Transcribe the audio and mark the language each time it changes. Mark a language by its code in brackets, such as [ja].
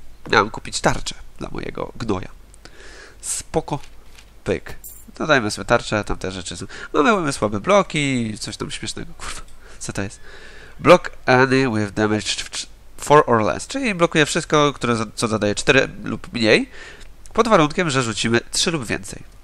[pl] Miałem kupić tarczę dla mojego gnoja. Spoko. Pyk. Dodajmy sobie tarczę, tam te rzeczy są. No, mamy słabe bloki, coś tam śmiesznego, kurwa. Co to jest? [en] Block any with damage 4 or less. [pl] Czyli blokuje wszystko, które co zadaje 4 lub mniej. Pod warunkiem, że rzucimy 3 lub więcej.